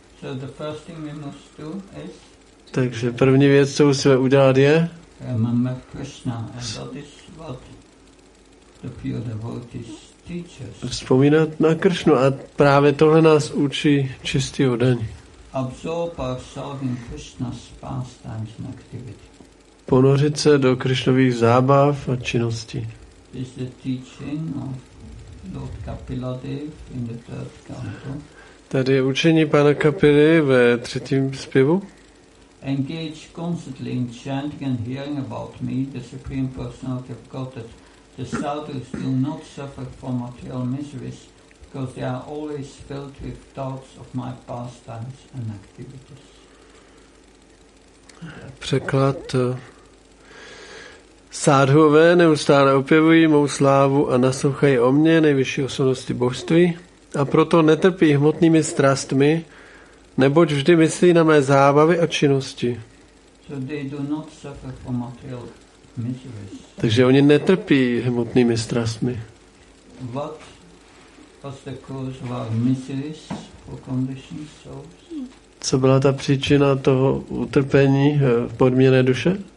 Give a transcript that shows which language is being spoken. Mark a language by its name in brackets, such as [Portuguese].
[English] So the first thing we must do is. [Czech] Takže první věc, co musíme udělat, je. [English] Remember Krishna, and that is what the pure devotees teach us. [Czech] Vzpomínat na Krishnu a právě tohle nás učí čistý oddaní. [English] Absorb ourselves in Krishna's pastimes and activity. [Czech] Ponořit se do Krishnových zábav a činností. [English] This is the teaching of Lord Kapiladev in the third canto. [Czech] Tady je učení pana Kapily ve třetím zpěvu. [English] Engage constantly in chanting and hearing about me, the Supreme Personality of Godhead. The sadhus do not suffer from material miseries because they are always filled with thoughts of my pastimes and activities. [Czech] Překlad. Sádhové neustále opěvují mou slávu a naslouchají o mně nejvyšší osobnosti božství a proto netrpí hmotnými strastmi, neboť vždy myslí na mé zábavy a činnosti. [English] So they do not suffer from material miseries. [Czech] Takže oni netrpí hmotnými strastmi. [English] What was the cause of our miseries for conditioned souls? [Czech] Co byla ta příčina toho utrpení v podmíněné duše?